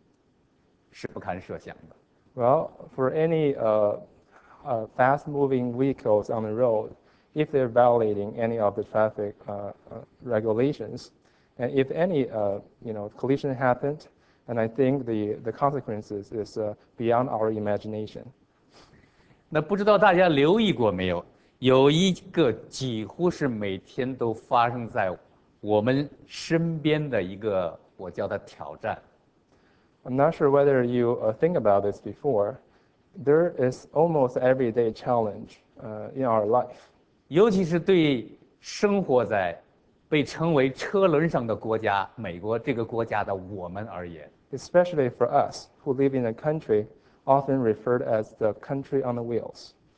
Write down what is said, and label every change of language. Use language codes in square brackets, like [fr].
[zh] 在高速行驶的车辆如果违反了交通规则，一旦出现交通事故，那后果是不堪设想的。 [en] Well, for any fast-moving vehicles on the road, if they're violating any of the traffic regulations, and if any collision happened, and I think the consequences is beyond our imagination. [zh] 那不知道大家留意过没有，有一个几乎是每天都发生在我们身边的一个我叫它挑战。 [en] I'm not sure whether you think about this before. There is almost everyday challenge in our life. [zh] 尤其是对生活在被称为车轮上的国家，美国这个国家的我们而言。 [en] Especially for us who live in a country often referred as the country on the wheels.